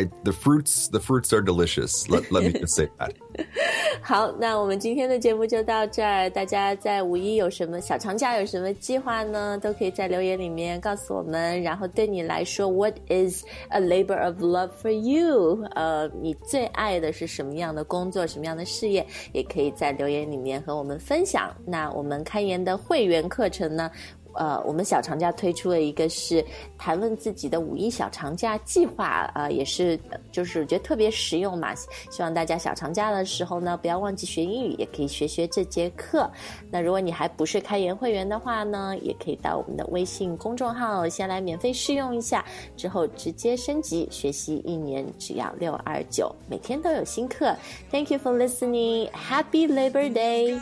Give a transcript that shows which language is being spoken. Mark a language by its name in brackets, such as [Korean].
[English] The fruits are delicious. Let me just say that. [Chinese] 好，那我们今天的节目就到这儿。大家在五一有什么小长假有什么计划呢？都可以在留言里面告诉我们。然后对你来说 [English] ，What is a labor of love for you？ [Chinese] 你最爱的是什么样的工作，什么样的事业？也可以在留言里面和我们分享。那我们开言的会员课程呢？我们小长假推出了一个是谈论自己的五一小长假计划也是就是觉得特别实用嘛希望大家小长假的时候呢不要忘记学英语也可以学学这节课那如果你还不是开言会员的话呢也可以到我们的微信公众号先来免费试用一下之后直接升级学习一年只要629每天都有新课 [English] Thank you for listening Happy Labor Day